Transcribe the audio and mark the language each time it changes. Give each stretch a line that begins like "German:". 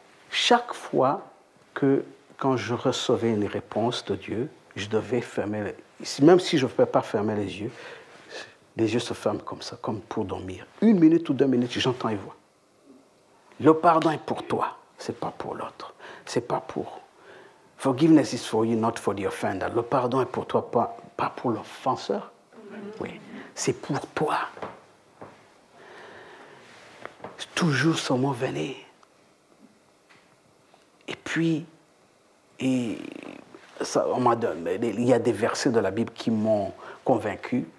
French: Chaque fois que, quand je recevais une réponse de Dieu, je devais fermer, même si je ne pouvais pas fermer les yeux se ferment comme ça, comme pour dormir. Une minute ou deux minutes, j'entends et vois. Le pardon est pour toi, ce n'est pas pour l'autre. C'est pas pour.
English: Forgiveness is for you, not for the offender.
French: Le pardon est pour toi, pas pour l'offenseur. Oui. C'est pour toi. Toujours ce mot venait. Et puis, il y a des versets de la Bible qui m'ont convaincu.